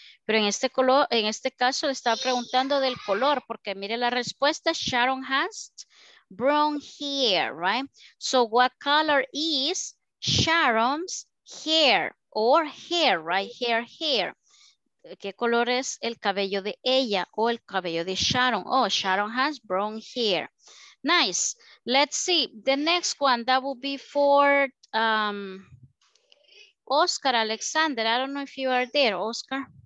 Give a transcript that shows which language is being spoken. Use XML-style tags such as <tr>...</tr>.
<es>Pero en este color, en este caso, estaba preguntando del color, porque mire la respuesta,</es> <en>Sharon has brown hair, right? So what color is Sharon's hair or hair, right? Hair, hair.</en> <es>¿Qué color es el cabello de ella o el cabello de Sharon?</es> <en>Oh, Sharon has brown hair. Nice. Let's see. The next one, that will be for Oscar Alexander. I don't know if you are there, Oscar.</en>